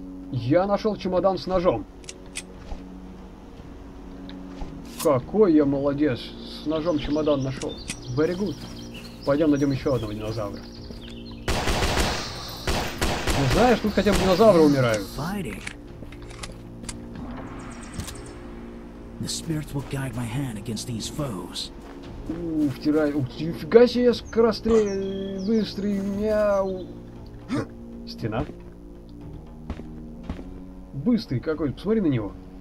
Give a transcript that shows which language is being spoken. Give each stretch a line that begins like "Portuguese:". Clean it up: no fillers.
Russian: Я нашел чемодан с ножом. Какой я молодец. С ножом чемодан нашел. Very good. Пойдем найдем еще одного динозавра. Ну знаешь, тут хотя бы динозавры умирают.
English: The spirits will guide my hand against these foes.
Russian: Ух, тирай, ух ты, фига себе, быстрый, мяу. Стена. Быстрый какой, посмотри на него.